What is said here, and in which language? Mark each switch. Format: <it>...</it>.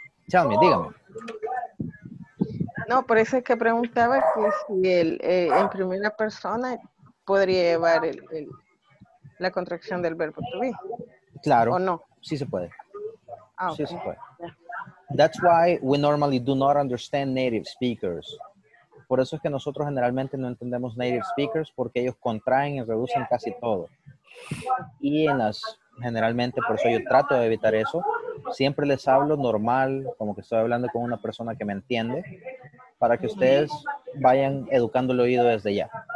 <en>Tell me,</en> <es>dígame. No, por eso es que preguntaba que si el, en primera persona podría llevar el, la contracción del verbo to be. Claro. O no. Sí se puede. Ah, okay. Sí se puede.</es> <en>That's why we normally do not understand native speakers.</en> <es>Por eso es que nosotros generalmente no entendemos native speakers porque ellos contraen y reducen casi todo. Y en las, generalmente, por eso yo trato de evitar eso. Siempre les hablo normal, como que estoy hablando con una persona que me entiende, para que ustedes vayan educando el oído desde ya.</es>